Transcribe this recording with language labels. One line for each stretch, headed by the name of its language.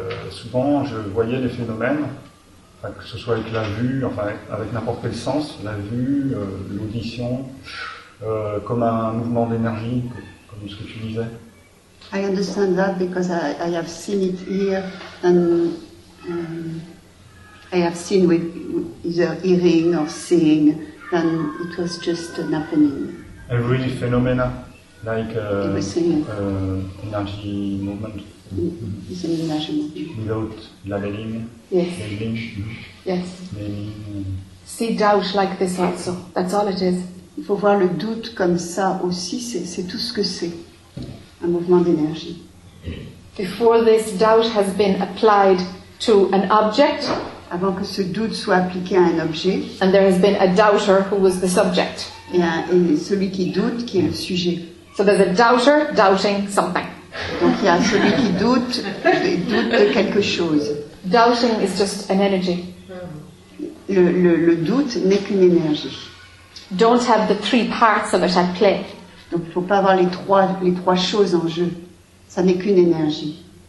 French: Souvent, je voyais des phénomènes, que ce soit avec la vue, avec n'importe quel sens, la vue, l'audition, comme un mouvement d'énergie, comme ce que tu disais.
English: I understand that because I have seen it here, and I have seen with either hearing or seeing, and it was just an happening. A really phenomena, energy movement. It's an energy movement. Without labeling. Yes. Labeling. Yes. Labeling. See doubt like this also. That's all it is.
French: Il faut voir le doute comme ça aussi. C'est tout ce que c'est. Un mouvement d'énergie.
English: Before this doubt has been applied to an object,
French: avant que ce doute soit appliqué à un objet,
English: and there has been a doubter who was the subject.
French: Et celui qui doute qui est le sujet.
English: So there's a doubter doubting something.
French: Donc il y a celui qui doute de quelque chose.
English: Doubting is just an energy.
French: Le doute n'est qu'une énergie.
English: Don't have the three parts of it at play.
French: Donc il ne faut pas avoir les trois choses en jeu. Ça n'est qu'une énergie.